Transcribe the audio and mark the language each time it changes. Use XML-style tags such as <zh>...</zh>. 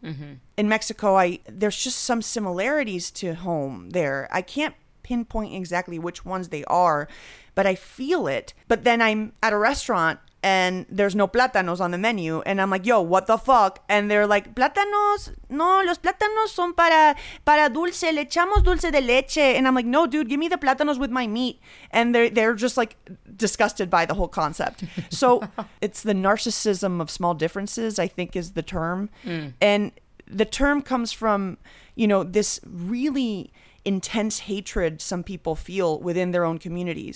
<en>Mm-hmm. In Mexico, there's just some similarities to home there. I can't pinpoint exactly which ones they are, but I feel it. But then I'm at a restaurant and there's no plátanos on the menu. And I'm like, yo, what the fuck? And they're like, plátanos?</en> <es>No, los plátanos son para dulce. Le echamos dulce de leche.</es> <en>And I'm like, no, dude, give me the plátanos with my meat. And they're just like disgusted by the whole concept. So it's the narcissism of small differences, I think, is the term. Mm. And the term comes from, you know, this really intense hatred some people feel within their own communities.</en>